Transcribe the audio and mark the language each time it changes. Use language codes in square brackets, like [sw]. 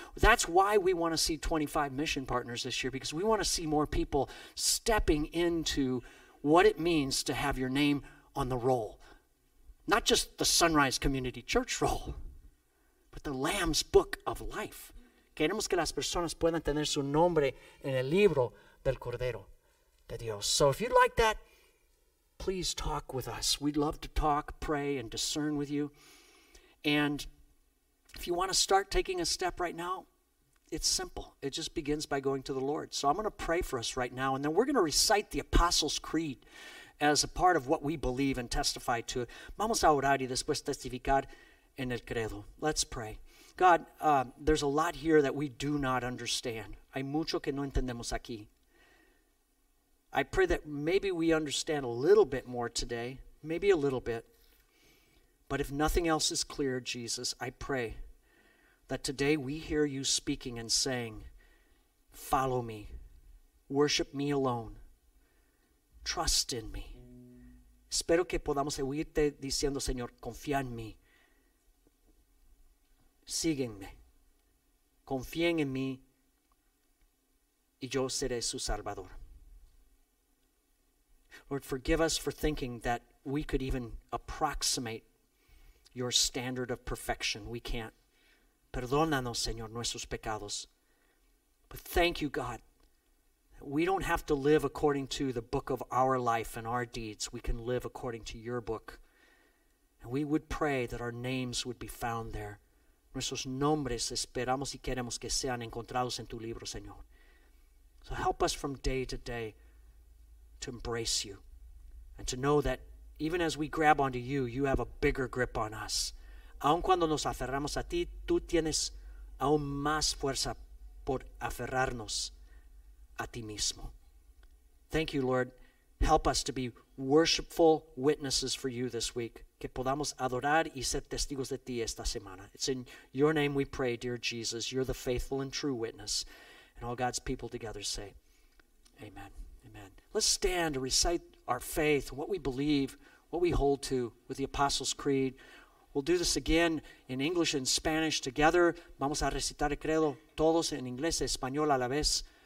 [en] That's why we want to see 25 mission partners this year, because we want to see more people stepping into what it means to have your name on the roll. Not just the Sunrise Community Church roll, but the Lamb's Book of Life. [es] Queremos que las personas puedan tener su nombre en el libro del Cordero de Dios. [en] So if you'd like that, please talk with us. We'd love to talk, pray, and discern with you. And if you want to start taking a step right now, it's simple. It just begins by going to the Lord. So I'm going to pray for us right now, and then we're going to recite the Apostles' Creed as a part of what we believe and testify to. [es] Vamos a orar y después testificar en el credo. [en] Let's pray. God, there's a lot here that we do not understand. [es] Hay mucho que no entendemos aquí. [en] I pray that maybe we understand a little bit more today, maybe a little bit. But if nothing else is clear, Jesus, I pray that today we hear you speaking and saying, follow me, worship me alone, trust in me. [es] Espero que podamos oírte diciendo, Señor, confía en mí. Sígueme. Confíen en mí y yo seré su salvador. [en] Lord, forgive us for thinking that we could even approximate your standard of perfection. We can't. [es] Perdónanos, Señor, nuestros pecados. [en] But thank you, God. We don't have to live according to the book of our life and our deeds. We can live according to your book. And we would pray that our names would be found there. [es] Nuestros nombres esperamos y queremos que sean encontrados en tu libro, Señor. [en] So help us from day to day to embrace you and to know that even as we grab onto you, you have a bigger grip on us. [es] Aun cuando nos aferramos a ti, tú tienes aún más fuerza por aferrarnos a ti mismo. [en] Thank you, Lord. Help us to be worshipful witnesses for you this week. [es] Que podamos adorar y ser testigos de ti esta semana. [en] It's in your name we pray, dear Jesus. You're the faithful and true witness. And all God's people together say, amen. Amen. Let's stand to recite our faith, what we believe, what we hold to with the Apostles' Creed. We'll do this again in English and Spanish together. [es] Vamos a recitar el credo todos en inglés y español a la vez.